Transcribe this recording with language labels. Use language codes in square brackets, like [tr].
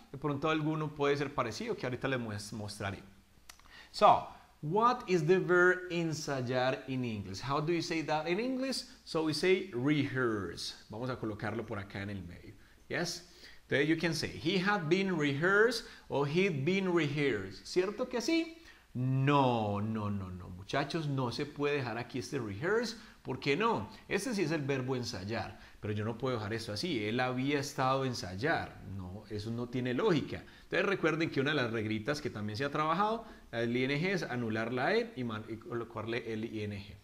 [es] De pronto alguno puede ser parecido, que ahorita les mostraré. [en] So, what is the verb ensayar in English? How do you say that in English? So we say rehearse. [es] Vamos a colocarlo por acá en el medio. [en] Yes? Then you can say, he had been rehearsed or he'd been rehearsed. [es] ¿Cierto que sí? No. Muchachos, no se puede dejar aquí este rehearse. ¿Por qué no? Este sí es el verbo ensayar. Pero yo no puedo dejar esto así. Él había estado ensayar. No, eso no tiene lógica. Entonces recuerden que una de las reglitas que también se ha trabajado, el ING, es anular la E y colocarle el ING.